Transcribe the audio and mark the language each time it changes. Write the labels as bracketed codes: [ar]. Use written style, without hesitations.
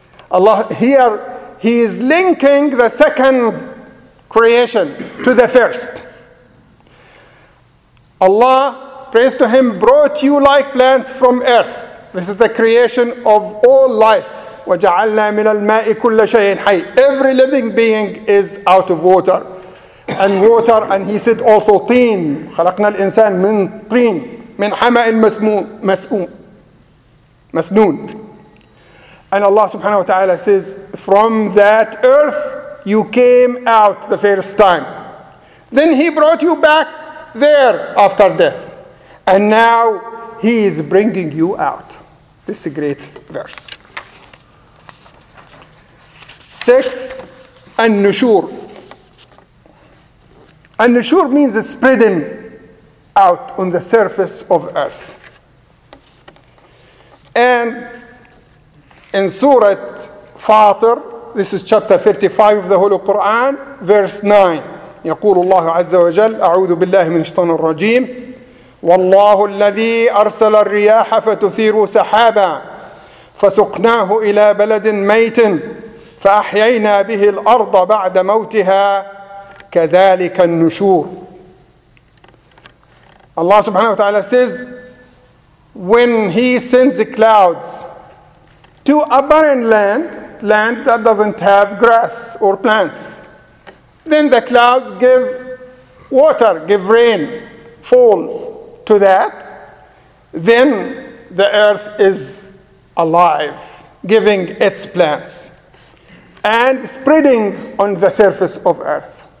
[en] Allah here, he is linking the second creation to the first. Allah, praise to him, brought you like plants from earth. This is the creation of all life. [ar] وجعلنا من الماء كل شيء حي. [en] Every living being is out of water. And water, and he said also teen. [ar] خلقنا الإنسان من طين من حماء مسنون. [en] And Allah subhanahu wa ta'ala says, from that earth you came out the first time. Then he brought you back there after death. And now he is bringing you out. This is a great verse. Sixth, An-Nushur. And nushur means spreading out on the surface of earth. And in Surah Fatir, this is chapter 35 of the Holy Quran, verse 9. [ar] يقول الله عز وجل أعوذ بالله من الشيطان الرجيم والله الذي أرسل الرياح فتثير سحابا فسقناه إلى بلد ميت فأحيينا به الأرض بعد موتها كَذَلِكَ النُّشُورِ. [en] Allah subhanahu wa ta'ala says, when he sends the clouds to a barren land, land that doesn't have grass or plants, then the clouds give water, give rain, fall to that, then the earth is alive, giving its plants, and spreading on the surface of earth.